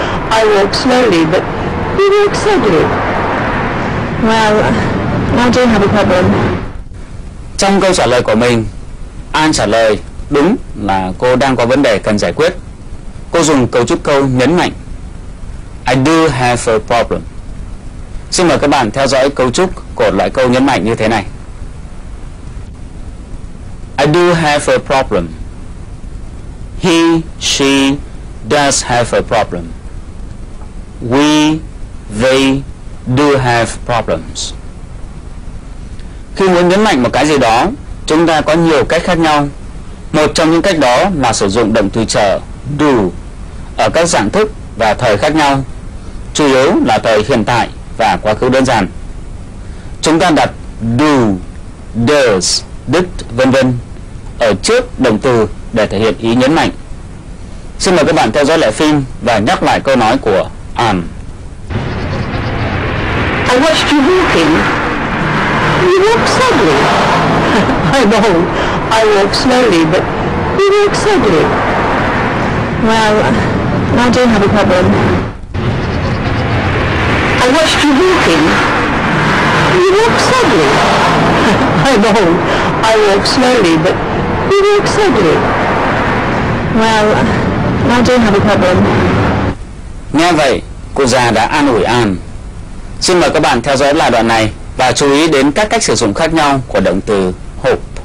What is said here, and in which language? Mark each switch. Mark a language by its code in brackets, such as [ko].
[en] I walk slowly, but you walk sadly. Well, I do have a problem. [vi] Trong câu trả lời của mình, An trả lời đúng là cô đang có vấn đề cần giải quyết. Cô dùng cấu trúc câu nhấn mạnh. [en] I do have a problem. [vi] Xin mời các bạn theo dõi cấu trúc của loại câu nhấn mạnh như thế này. [en] I do have a problem. He, she does have a problem. We, they do have problems. [vi] Khi muốn nhấn mạnh một cái gì đó, chúng ta có nhiều cách khác nhau. Một trong những cách đó là sử dụng động từ trở do ở các dạng thức và thời khác nhau, chủ yếu là thời hiện tại và quá khứ đơn giản. Chúng ta đặt do, does, did, v.v. ở trước động từ để thể hiện ý nhấn mạnh. Xin mời các bạn theo dõi lại phim và nhắc lại câu nói của An. [en] I watched you walking. You walk sadly. I know. I walk slowly, but you walk sadly. Well, I do have a problem. I watched you walking. You walk sadly. I know. I walk slowly, but you walk sadly. Well, I do have a problem. [vi] Nghe vậy, cụ già đã an ủi An. Xin mời các bạn theo dõi lại đoạn này và chú ý đến các cách sử dụng khác nhau của động từ hope.